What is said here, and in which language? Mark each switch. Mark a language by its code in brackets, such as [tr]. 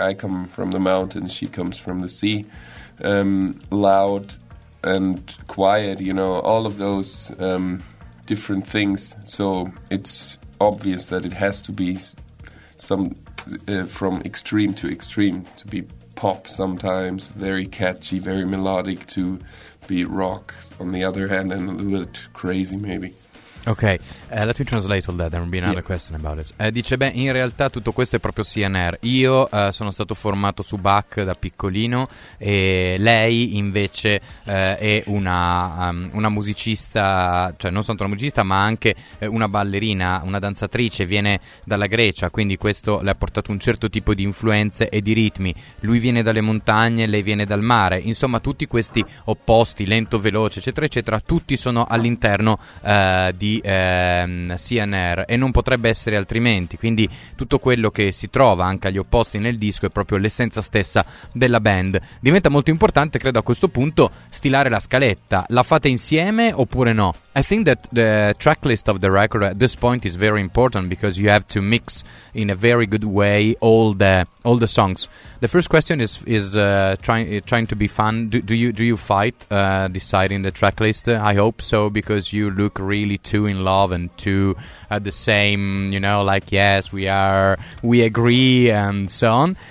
[en] I come from the mountains, she comes from the sea. Loud and quiet, you know, all of those different things, so it's obvious that it has to be some from extreme to extreme, to be pop sometimes, very catchy, very melodic, to be rock on the other hand, and a little bit crazy maybe. Okay, let me translate all that, there will be another question about it. [it] Dice, beh, in realtà tutto questo è proprio CNR. Io sono stato formato su Bach da piccolino e lei invece è una musicista, cioè non soltanto una musicista ma anche una ballerina, una danzatrice, viene dalla Grecia, quindi questo le ha portato un certo tipo di influenze e di ritmi. Lui viene dalle montagne, lei viene dal mare, insomma tutti questi opposti, lento, veloce, eccetera, eccetera, tutti sono all'interno di CNR e non potrebbe essere altrimenti, quindi tutto quello che si trova anche agli opposti nel disco è proprio l'essenza stessa della band. Diventa molto importante, credo, a questo punto stilare la scaletta. La fate insieme oppure no? [en] I think that the tracklist of the record at this point is very important because you have to mix in a very good way all the songs. The first question is trying to be fun. Do you fight deciding the tracklist? I hope so, because you look really too in love and too at the same, you know, like yes, we agree and so on.